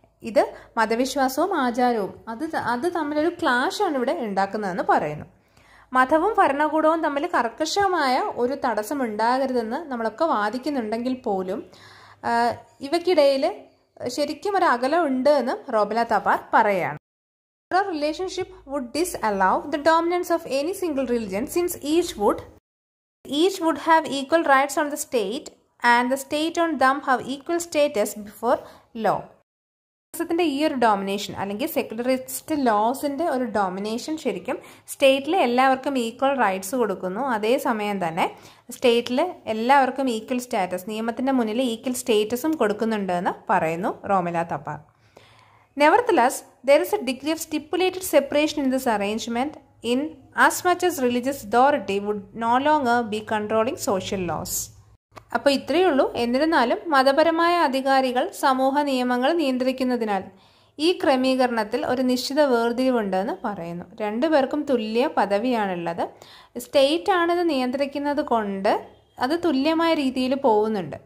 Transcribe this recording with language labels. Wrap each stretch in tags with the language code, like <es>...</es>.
<ml>ഇത് മതവിശ്വാസവും ആചാരവും അത് തമ്മിലൊരു ക്ലാഷാണ് ഇവിടെ ഉണ്ടാക്കുന്നതെന്ന് പറയുന്നു. മതവും ഭരണകൂടവും തമ്മിൽ കർക്കശമായ ഒരു തടസ്സം ഉണ്ടാകരുതെന്ന് നമ്മളൊക്കെ വാദിക്കുന്നുണ്ടെങ്കിൽ പോലും ഇവയ്ക്കിടയിൽ ശരിക്കും ഒരു അകലം ഉണ്ട് എന്ന് റോമില തപാർ പറയുകയാണ്.</ml> <en>Our relationship would disallow the dominance of any single religion, since each would have equal rights on the state and the state on them have equal status before law.</en> <ml>സത്തിന്റെ ഈ ഒരു ഡൊമിനേഷൻ അല്ലെങ്കിൽ സെക്കുലറിസ്റ്റ് ലോസിന്റെ ഒരു domination ശരിക്കും സ്റ്റേറ്റിലെ എല്ലാവർക്കും equal rights കൊടുക്കുന്നു. അതേസമയം തന്നെ സ്റ്റേറ്റിലെ എല്ലാവർക്കും ഈക്വൽ സ്റ്റാറ്റസ്, നിയമത്തിന്റെ മുന്നിൽ ഈക്വൽ സ്റ്റേറ്റസും കൊടുക്കുന്നുണ്ട് എന്ന് പറയുന്നു Romila Thawar.</ml> <en>Nevertheless, there is a degree of stipulated separation in this arrangement in as much as religious authority would no longer be controlling social laws.</en> <ml>അപ്പോൾ ഇത്രയേ ഉള്ളൂ. എന്നിരുന്നാലും മതപരമായ അധികാരികൾ സമൂഹ നിയമങ്ങൾ നിയന്ത്രിക്കുന്നതിനാൽ ഈ ക്രമീകരണത്തിൽ ഒരു നിശ്ചിത വേർതിരിവുണ്ടെന്ന് പറയുന്നു. രണ്ടുപേർക്കും തുല്യ പദവിയാണുള്ളത്. സ്റ്റേറ്റാണിത് നിയന്ത്രിക്കുന്നത് കൊണ്ട് അത് തുല്യമായ രീതിയിൽ പോകുന്നുണ്ട്.</ml>